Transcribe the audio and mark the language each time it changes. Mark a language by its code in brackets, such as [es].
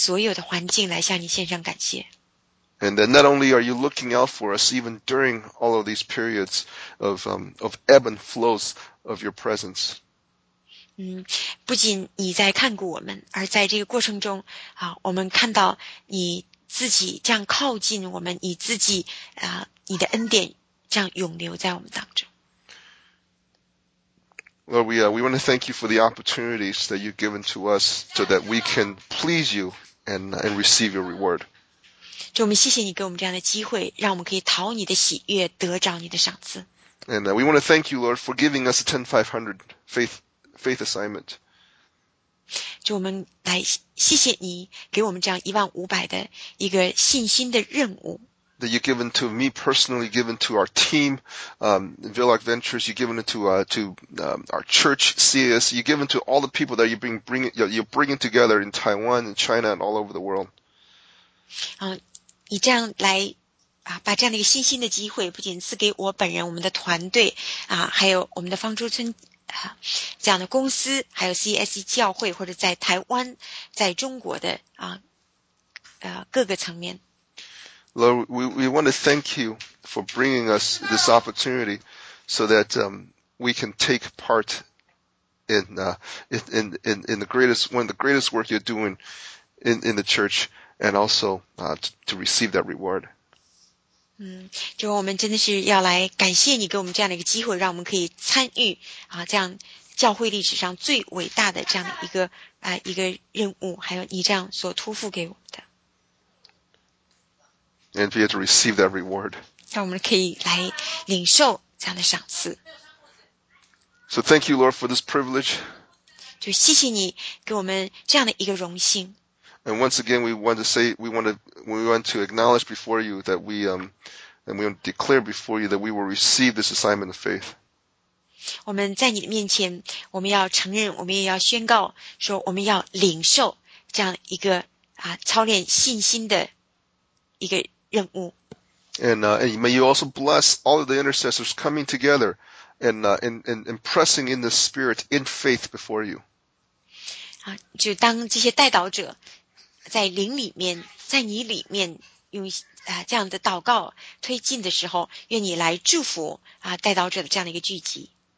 [zh] 但是主，我们愿意来到你的面前，为着所有的这个机会，为着所有的环境来向你献上感谢。And [en] then not only are you looking out for us even during all of these periods of ebb and flows of your presence. [zh] 不仅你在看顾我们，而在这个过程中，我们看到你。自己这样靠近我们，你自己，你的恩典这样涌流在我们当中。Lord, [en] we want to thank you for the opportunities that you've given to us so that we can please you and receive your reward. [zh] 主，我们谢谢你给我们这样的机会，让我们可以讨你的喜悦，得着你的赏赐。And [en] we want to thank you, Lord, for giving us a 10-500 faith assignment. [zh] 就我们来谢谢你给我们这样1500的一个信心的任务。 [en] That you've given to me personally, given to our team, Villarc Ventures, you've given it to our church, CAS, you've given to all the people that you're bringing together in Taiwan and China and all over the world. [zh] 你这样来啊，把这样的一个信心的机会，不仅赐给我本人、我们的团队啊，还有我们的方舟村啊这样的公司，还有 CAS 教会或者在台湾、在中国的啊各个层面。 [en] Lord, we want to thank you for bringing us this opportunity so that we can take part in the greatest, one of the greatest work you're doing in the church and also to receive that reward. [zh] 就我们真的是要来感谢你给我们这样的一个机会让我们可以参与啊这样教会历史上最伟大的这样的一个一个任务还有你这样所托付给我们的。 [en] And be able to receive that reward. [zh] 让我们可以来领受这样的赏赐。 [en] So thank you, Lord, for this privilege. [zh] 就谢谢你给我们这样的一个荣幸。 [en] And once again, we want to acknowledge before you that we want to declare before you that we will receive this assignment of faith. [zh] 我们在你的面前，我们要承认，我们也要宣告说，我们要领受这样一个操练信心的一个。 [en] And may you also bless all of the intercessors coming together and pressing in the spirit in faith before you. [zh] 就当这些代祷者在灵里面，在你里面用这样的祷告推进的时候，愿你来祝福代祷者的这样的一个聚集。